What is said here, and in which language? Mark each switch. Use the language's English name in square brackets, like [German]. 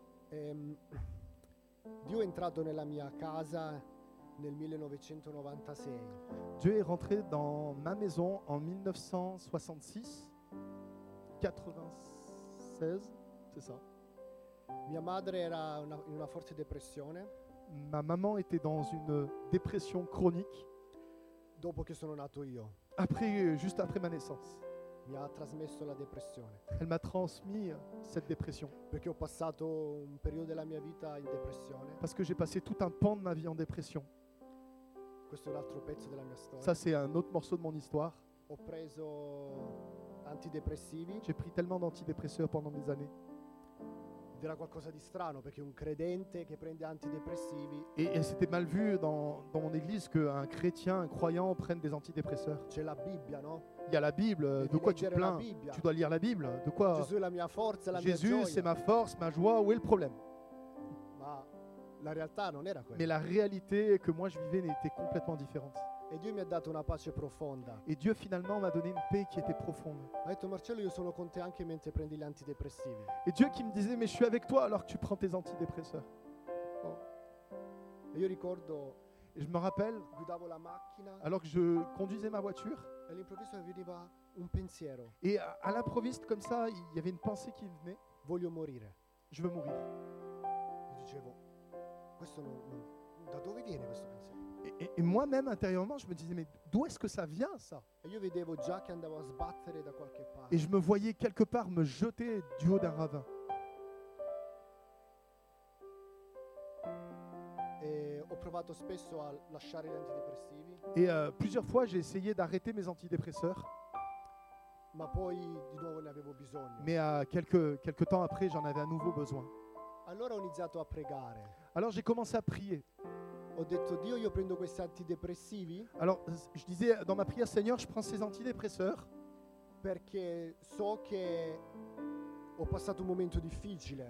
[Italian] Dio è entrato nella mia casa nel 1996. [French] Dieu est rentré dans ma maison en 1996, c'est ça. [Italian] Mia madre era in una forte depressione. [French] Ma maman était dans une dépression chronique. [Italian] Dopo che sono nato io. [French] Après, juste après ma naissance. [Italian] Mi ha trasmesso la depressione. [French] Elle m'a transmis cette dépression. [Italian] Perché ho passato un periodo della mia vita in depressione. [French] Parce que j'ai passé tout un pan de ma vie en dépression. [Italian] Questo è un altro pezzo della mia storia. [French] Ça c'est un autre morceau de mon histoire. [Italian] Ho preso antidepressivi. [French] J'ai pris tellement d'antidépresseurs pendant mes années. [Italian] Ed era qualcosa di strano perché un credente che prende antidepressivi. [French] Et c'était mal vu dans mon église que un chrétien, un croyant prenne des antidépresseurs. C'est la Bible, non? Il y a la Bible, de quoi tu te plains? Tu dois lire la Bible, de quoi? [Italian] Gesù è la mia forza, la mia [French] Jésus, [Italian] gioia. [French] C'est ma force, ma joie, où est le problème? [Italian] Ma la realtà non era quella. [French] Mais la réalité que moi je vivais était complètement différente. [Italian] E Dio mi ha dato una pace profonda. [French] Et Dieu finalement m'a donné une paix qui était profonde. [Italian] Ha detto Marcello, io sono con te anche mentre prendi gli antidepressivi. [French] Et Dieu qui me disait mais je suis avec toi alors que tu prends tes antidépresseurs. Oh. [Italian] E io ricordo. [French] Et je me rappelle. [Italian] Guidavo la macchina. [French] Alors que je conduisais ma voiture. [Italian] E all'improvviso arrivava un pensiero. [French] Et à l'improviste comme ça il y avait une pensée qui venait. [Italian] Voglio morire. [French] Je veux mourir. [Italian] E dicevo questo non, non da dove viene questo pensiero? [French] Et moi-même, intérieurement, je me disais, mais d'où est-ce que ça vient, ça? [Italian] Io vedevo già che andavo a sbattere da qualche parte. [French] Et je me voyais quelque part me jeter du haut d'un ravin. [Italian] Et ho provato spesso a lasciare gli antidepressivi. [French] Et plusieurs fois, j'ai essayé d'arrêter mes antidépresseurs. [Italian] Ma poi, di nuovo, ne avevo bisogno. [French] Mais quelques temps après, j'en avais à nouveau besoin. [Italian] Allora ho iniziato a pregare. [French] Alors j'ai commencé à prier. [Italian] Ho detto, Dio, io prendo questi antidepressivi. [French] Alors, je disais dans ma prière, Seigneur, je prends ces antidépresseurs. [Italian] Perché so che ho passato un momento difficile.